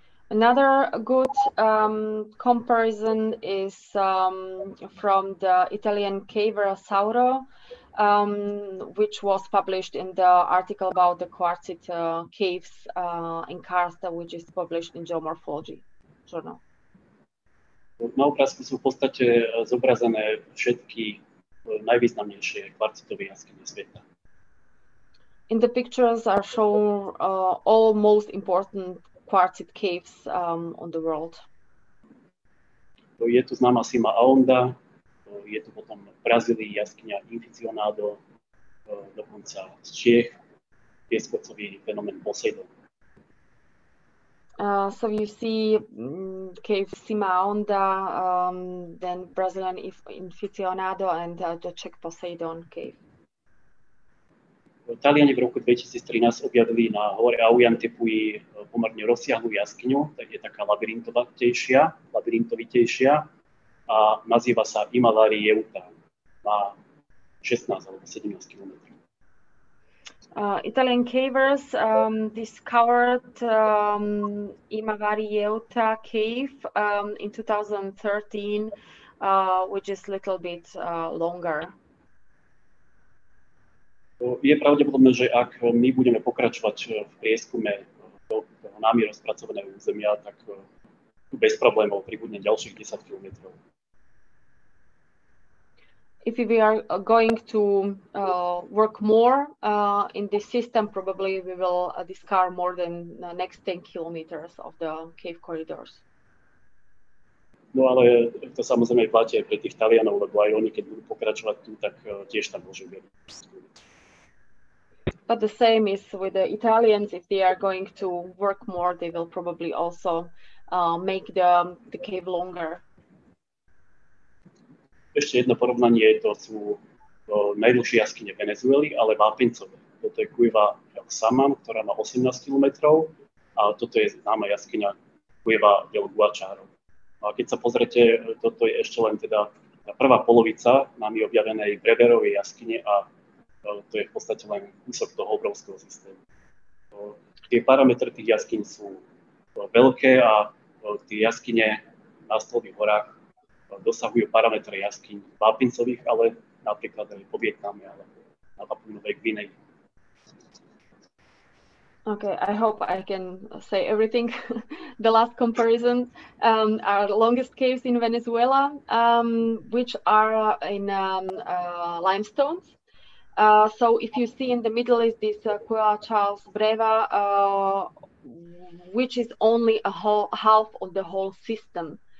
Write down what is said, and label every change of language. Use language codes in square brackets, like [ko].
[en] Another good comparison is from the Italian caver Sauro, which was published in the article about the quartzite caves in Karsta, which is published in Geomorphology journal. [sk] Na obrázku sú v podstate zobrazené všetky najvýznamnejšie kvarcitové jaskyne sveta. [en] In the pictures are shown all most important quartzite caves on the world. [sk] Je tu známa Sima Aonda, je tu potom v Brazílii jaskyňa Inficionado, dokonca z Čiech, pieskocový fenomén Poseidon. [en] So you see cave Sima Aonda, then Brazilian Inficionado and the Czech Poseidon cave. [sk] Taliani v roku 2013 objavili na hore Aujan Tepui pomerne rozsiahlu jaskyňu, tak je taká labyrintovitejšia a nazýva sa Imalari Jeuta, má 16 alebo 17 km. [en] Italian cavers discovered Imavari Jeuta cave in 2013, which is a little bit longer. [sk] Je pravdepodobné, že ak my budeme pokračovať v prieskume do námi rozpracovaného územia, tak bez problémov pribudne ďalších 10 km. [en] If we are going to work more in this system, probably we will discover more than the next 10 kilometers of the cave corridors. [sk] No ale to samozrejme platí aj pre tých Talianov, lebo aj oni, keď budú pokračovať tu, tak tiež tam môžu byť. [en] But the same is with the Italians. If they are going to work more, they will probably also make the cave longer. [sk] Ešte jedno porovnanie, to sú najdlhšie jaskyne Venezuely, ale vápencové. Toto je Cueva Charles, ktorá má 18 km, a toto je známa jaskyňa Cueva Juliana. A keď sa pozrete, toto je ešte len teda tá prvá polovica nami objavenej Breberovej jaskyne a to je v podstate len kúsok toho obrovského systému. Tie parametre tých jaskyň sú veľké a tie jaskyne na Stolových horách dosahujú parametre jaskyň vápincových, ale napríklad aj po Vietname alebo na Papunovej Gvineji. [en] Okay, I hope I can say everything. The last comparison are longest caves in Venezuela, which are in limestones. So if you see in the middle is this Cueva Charles Brewer, which is only a whole half of the whole system.